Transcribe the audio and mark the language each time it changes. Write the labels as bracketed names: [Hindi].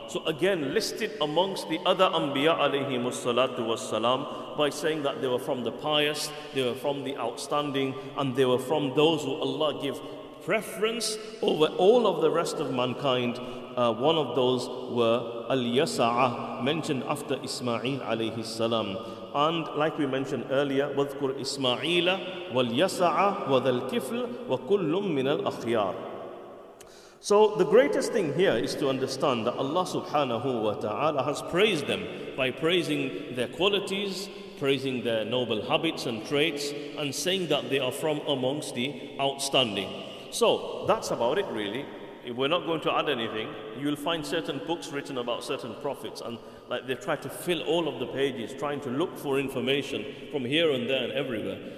[English] So again, listed amongst the other Anbiya alayhim as-salatu was-salam by saying that they were from the pious, they were from the outstanding, and they were from those who Allah give preference over all of the rest of mankind. One of those were Al-Yasa'a, mentioned after Ismail alayhi salam. And like we mentioned earlier, [Arabic] وَذْكُرْ إِسْمَعِيلَ وَالْيَسَعَ وَذَا الْكِفْلِ وَكُلُّمْ مِنَ الْأَخْيَارِ. [English] So the greatest thing here is to understand that Allah subhanahu wa ta'ala has praised them by praising their qualities, praising their noble habits and traits, and saying that they are from amongst the outstanding. So that's about it really. If we're not going to add anything, you'll find certain books written about certain prophets, and like they try to fill all of the pages, trying to look for information from here and there and everywhere.